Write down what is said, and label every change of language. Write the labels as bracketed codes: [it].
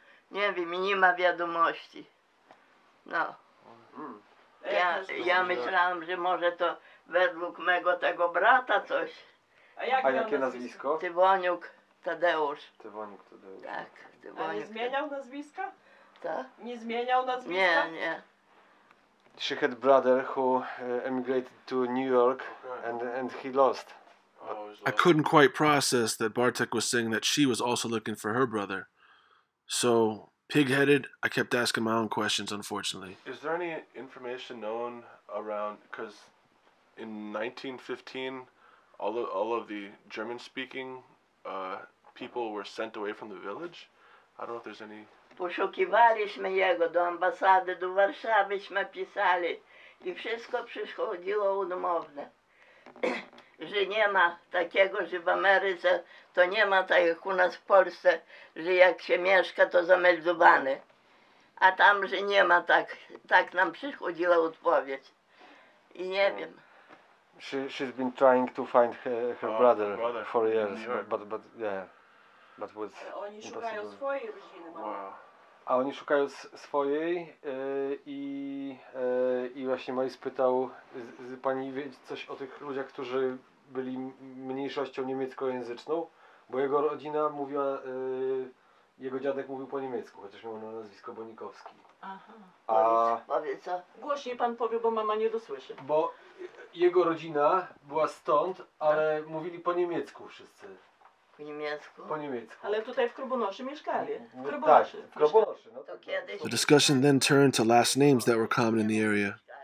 [pl] Nie wiem, nie ma wiadomości. No. Ja myślałam, że może to według mego tego brata coś. A jakie nazwisko? Tywoniuk Tadeusz. Tywoniuk Tadeusz. Tak. Tywoniuk. A nie zmieniał nazwiska? Tak. Nie zmieniał nazwiska? Nie, nie. [en] She had brother who emigrated to New York, and he lost. I couldn't quite process that Bartek was saying that she was also looking for her brother. So, pig-headed, I kept asking my own questions, unfortunately. Is there any information known around, because in 1915, all of the German-speaking people were sent away from the village? I don't know if there's any... [pl] Poszukiwaliśmy jego do ambasady, do Warszawyśmy pisali i wszystko przychodziło odmowne. Że nie ma takiego, że w Ameryce to nie ma tak jak u nas w Polsce, że jak się mieszka, to zameldowany. A tam, że nie ma tak, tak nam przychodziła odpowiedź. I nie wiem. [en] She's been trying to find her brother for years, but yeah. But [pl] oni szukają [en] impossible. [pl] Swojej rodziny. Wow. A oni szukają swojej i właśnie Maj spytał, pani wie coś o tych ludziach, którzy byli mniejszością niemieckojęzyczną, bo jego rodzina mówiła, jego dziadek mówił po niemiecku, chociaż miał na nazwisko Bonikowski. Aha. Powiedz co? Głośniej pan powie, bo mama nie dosłyszy. Bo jego rodzina była stąd, ale tak. Mówili po niemiecku wszyscy. Po niemiecku? Po niemiecku. Ale tutaj w Krubonoszy mieszkali. W Krubonoszy. Tak, w Krubonoszy. No to kiedyś... [en] The discussion then turned to last names that were common in the area.